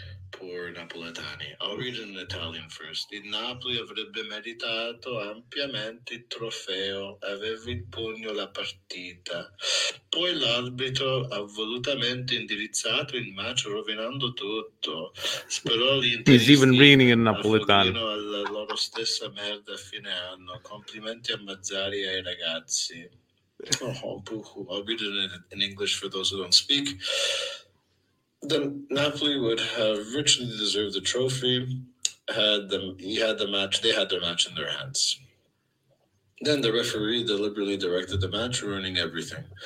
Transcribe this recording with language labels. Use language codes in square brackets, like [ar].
[en] poor Napoletani. I'll read it in Italian first. [it] Il Napoli avrebbe meritato ampiamente il trofeo, aveva in pugno la partita. Poi l'arbitro ha volutamente indirizzato il match rovinando tutto. Spero l'Inter affoglino alla loro stessa merda a fine anno. Complimenti a Mazzari e ai ragazzi. [en] I'll read it in English for those who don't speak. The Napoli would have richly deserved the trophy they had their match in their hands. Then the referee deliberately directed the match, ruining everything.